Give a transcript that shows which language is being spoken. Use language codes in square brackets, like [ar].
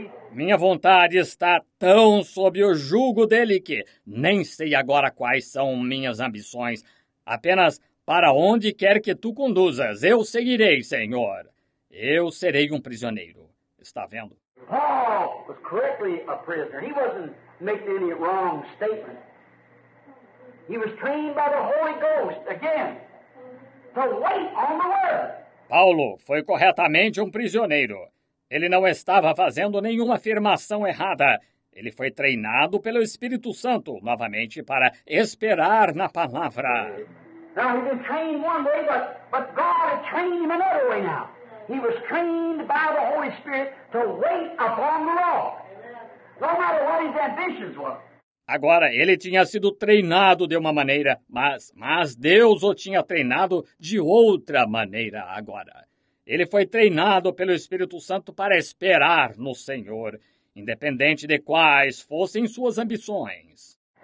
[pt] Minha vontade está tão sob o jugo dele que nem sei agora quais são minhas ambições. Apenas para onde quer que tu conduzas, eu seguirei, Senhor. Eu serei um prisioneiro. Está vendo? [en] Paul was correctly a prisoner. He wasn't making any wrong statement. He was trained by the Holy Ghost again. to wait on the word. [pt] Paulo foi corretamente um prisioneiro. Ele não estava fazendo nenhuma afirmação errada. Ele foi treinado pelo Espírito Santo, novamente, para esperar na palavra. [en] Now, he's been trained one way, but God had trained him another way now. He was trained by the Holy Spirit to wait upon the Lord. No matter what his ambitions were. [pt] Agora, ele tinha sido treinado de uma maneira, mas Deus o tinha treinado de outra maneira agora. Ele foi treinado pelo Espírito Santo para esperar no Senhor, independente de quais fossem suas ambições.